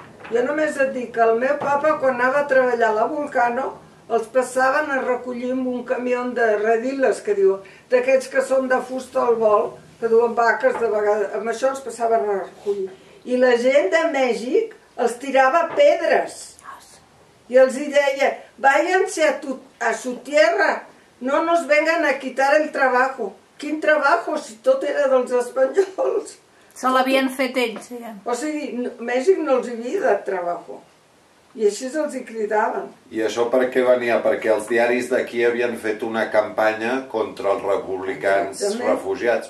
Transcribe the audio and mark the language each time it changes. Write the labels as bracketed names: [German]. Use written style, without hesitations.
[Catalan] Jo només et dic que el meu papa, quan anava a treballar a la Vulcano, els passaven a recollir amb un camió de redilles, que diu, d'aquests que són de fusta al vol, que duen vaques de vegades, amb això els passaven a recollir. I la gent de Mèxic els tirava pedres. I els hi deia, [Spanish] váyanse a su tierra, no nos vengan a quitar el trabajo. [Catalan] Quin trabajo, si tot era dels espanyols. Se l'havien fet ells, diguem. O sigui, Mèxic no els hi havia de trabajo. I així els hi cridaven. I això per què venia? Perquè els diaris d'aquí havien fet una campanya contra els republicans refugiats.